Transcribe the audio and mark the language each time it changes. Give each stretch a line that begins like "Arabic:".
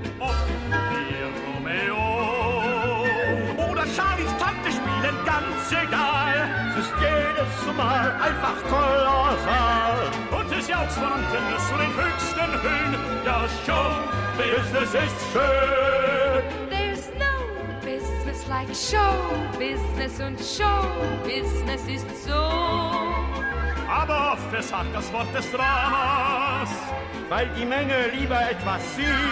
German: Oh, wir Romeo. Oder ganz egal. Es ist jedes Mal einfach kolossal. Und es jauchzt von Antennes zu den höchsten Höhen. Ja, Showbusiness ist schön.
English: There's no business like Showbusiness.
German: Und Showbusiness ist so. Aber oft versagt das Wort des Dramas, weil die Menge lieber etwas sieht.